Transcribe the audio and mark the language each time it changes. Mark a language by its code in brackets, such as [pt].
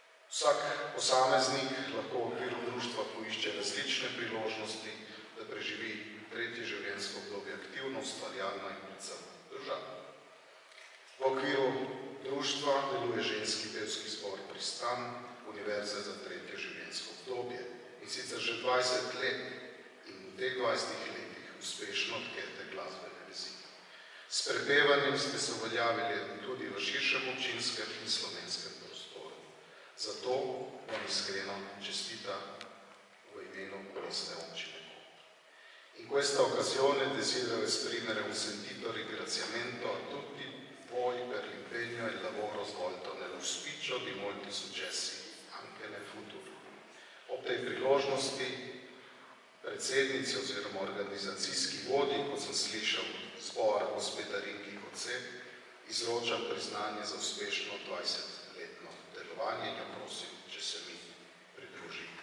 [sl] Vsak posameznik lahko v okviru društva poišče različne priložnosti, da preživi tretje življenjsko obdobje aktivno, ustvarjalno in predvsem državno. V okviru društva deluje ženski pevski zbor Pristan Univerze za tretje življenjsko obdobje in sicer že 20 let in v teh 20 letih uspešno tkete glasbene vezi. S prepevanjem ste se uveljavili tudi v širšem občinskem in slovenskem prostoru. Zato vam iskreno čestita v imenu mestne občine. [it] In questa occasione desidero esprimere un sentito ringraziamento a tutti voi per l'impegno e il lavoro svolto nell'auspicio di molti successi anche nel futuro. [sl] Ob tej priložnosti predsednici oziroma organizacijski vodi, kot sem slišal zbor gospodarinki kot se, izročam priznanje za uspešno 20-letno delovanje in jo prosim, če se mi pridruži.